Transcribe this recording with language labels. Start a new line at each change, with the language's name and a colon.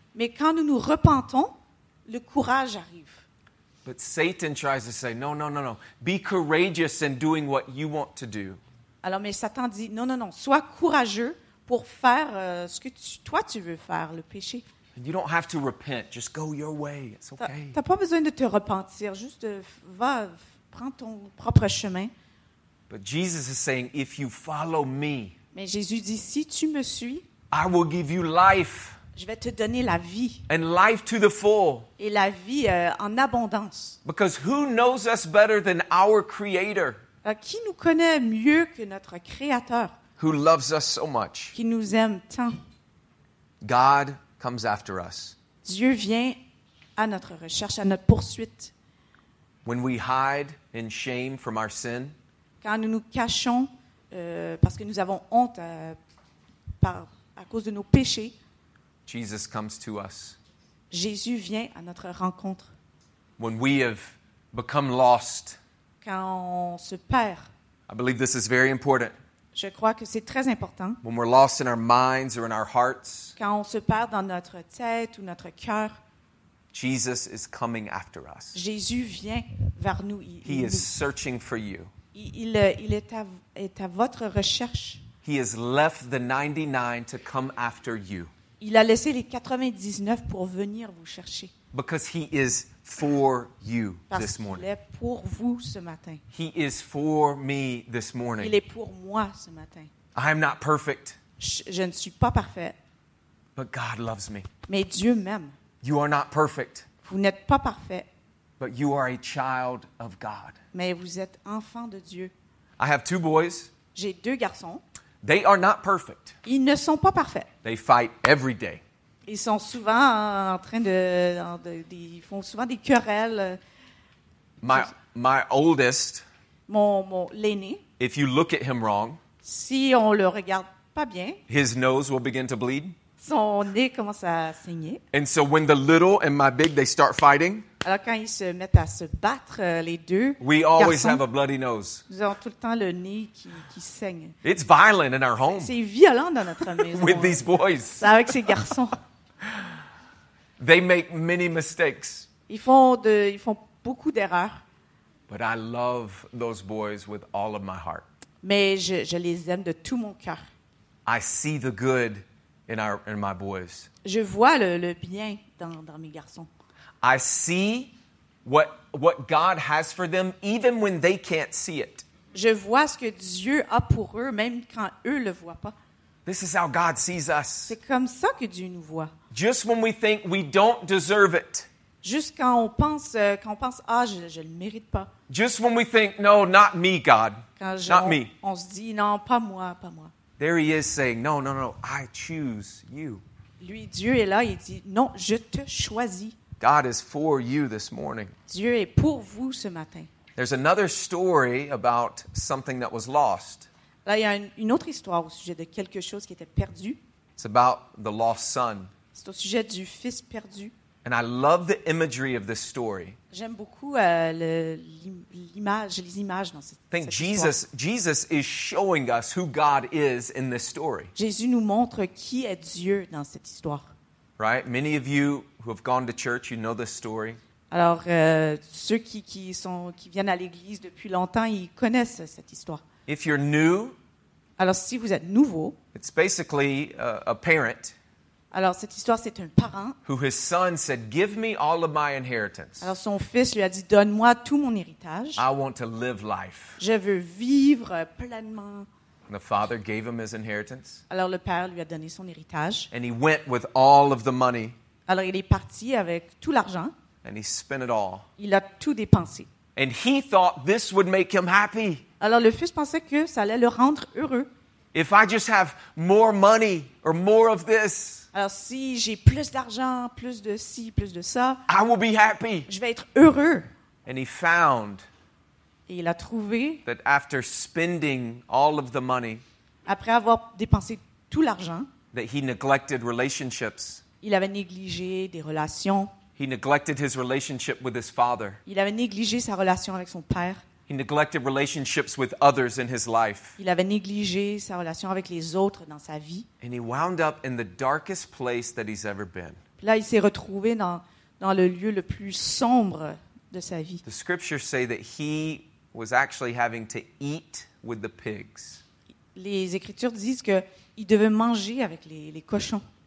French: Mais quand nous nous repentons, le courage arrive.
English: But Satan tries to say, no, no, no, no. Be courageous in doing what you want to do.
French: Alors, mais Satan dit, non, non, non. Sois courageux pour faire ce que tu veux faire, le péché.
English: And you don't have to repent. Just go your way. It's okay.
French: T'as pas besoin de te repentir. Juste va, prends ton propre chemin.
English: But Jesus is saying, if you follow me,
French: mais Jésus dit, si tu me suis,
English: I will give you life.
French: Je vais te donner la vie.
English: And life to the full.
French: Et la vie en abondance.
English: Because who knows us better than our Creator?
French: Qui nous connaît mieux que notre Créateur?
English: Who loves us so much?
French: Qui nous aime tant?
English: God comes after us.
French: Dieu vient à notre recherche, à notre poursuite.
English: When we hide in shame from our sin,
French: quand nous nous cachons parce que nous avons honte à cause de nos péchés,
English: Jesus comes to us.
French: Jésus vient à notre rencontre.
English: When we have become lost.
French: Quand on se perd.
English: I believe this is very important.
French: Je crois que c'est très important.
English: When we're lost in our minds or in our hearts.
French: Quand on se perd dans notre tête ou notre cœur.
English: Jesus is coming after us.
French: Jésus vient vers nous.
English: He is searching for you.
French: Il est à votre recherche.
English: He has left the 99 to come after you.
French: Il a laissé les 99 pour venir vous chercher.
English: Because he is for you this morning.
French: Parce qu'il est pour vous ce matin.
English: He is for me this morning.
French: Il est pour moi ce matin.
English: I am not perfect.
French: Je ne suis pas parfait.
English: But God loves me.
French: Mais Dieu m'aime.
English: You are not perfect.
French: Vous n'êtes pas parfait.
English: But you are a child of God.
French: Mais vous êtes enfant de Dieu.
English: I have two boys.
French: J'ai deux garçons.
English: They are not perfect.
French: Ils ne sont pas parfaits.
English: They fight every day.
French: Ils sont souvent en train de ils font souvent des querelles.
English: My oldest.
French: Mon l'aîné.
English: If you look at him wrong.
French: Si on le regarde pas bien.
English: His nose will begin to bleed.
French: Son nez commence à saigner.
English: And so when the little and my big they start fighting.
French: Alors quand ils se mettent à se battre les deux.
English: We always
French: garçons,
English: have a bloody nose.
French: Nous avons tout le temps le nez qui saigne.
English: It's violent in our home.
French: C'est violent dans notre maison.
English: With these boys.
French: Avec ces garçons.
English: They make many mistakes.
French: Ils font beaucoup d'erreurs.
English: But I love those boys with all of my heart.
French: Mais je les aime de tout mon cœur.
English: I see the good in my boys.
French: Je vois le bien dans mes garçons.
English: I see what God has for them even when they can't see it.
French: Je vois ce que Dieu a pour eux même quand eux le voient pas.
English: This is how God sees us.
French: C'est comme ça que Dieu nous voit.
English: Just when we think we don't deserve it.
French: Juste quand on pense ah je le mérite pas.
English: Just when we think no not me God.
French: Quand
English: not me.
French: On se dit non pas moi.
English: There he is saying no I choose you.
French: Lui Dieu est là il dit non je te choisis.
English: God is for you this morning.
French: Dieu est pour vous ce matin.
English: There's another story about something that was lost.
French: Là, il y a une autre histoire au sujet de quelque chose qui était perdu.
English: It's about the lost son.
French: C'est au sujet du fils perdu.
English: And I love the imagery of this story.
French: J'aime beaucoup les images dans cette histoire.
English: Think Jesus is showing us who God is in this story.
French: Jésus nous montre qui est Dieu dans cette histoire.
English: Right? Many of you who have gone to church, you know this story.
French: Alors, ceux qui viennent à l'église depuis longtemps, ils connaissent cette histoire.
English: If you're new,
French: alors si vous êtes nouveau,
English: it's basically a parent.
French: Alors cette histoire, c'est un parent.
English: Who his son said, "Give me all of my inheritance."
French: Alors son fils lui a dit, donne-moi tout mon héritage.
English: I want to live life.
French: Je veux vivre pleinement.
English: The father gave him his inheritance.
French: Alors le père lui a donné son héritage.
English: And he went with all of the money.
French: Alors il est parti avec tout l'argent.
English: And he spent it all.
French: Il a tout dépensé.
English: And he thought this would make him happy.
French: Alors le fils pensait que ça allait le rendre heureux.
English: If I just have more money or more of this.
French: Alors si j'ai plus d'argent, plus de ci, plus de ça.
English: I will be happy.
French: Je vais être heureux.
English: And he found.
French: Et il a trouvé
English: that after spending all of the money,
French: après avoir dépensé tout l'argent,
English: that he neglected relationships.
French: Il avait négligé des relations.
English: He neglected his relationship with his father.
French: Il avait négligé sa relation avec son père.
English: He neglected relationships with others in his life.
French: Il avait négligé sa relation avec les autres dans sa vie.
English: And he wound up in the darkest place that he's ever been.
French: Puis là, il s'est retrouvé dans le lieu le plus sombre. De sa vie.
English: The scriptures say that he was actually having to eat with the pigs.
French: Les écritures disent que il devait manger avec les cochons.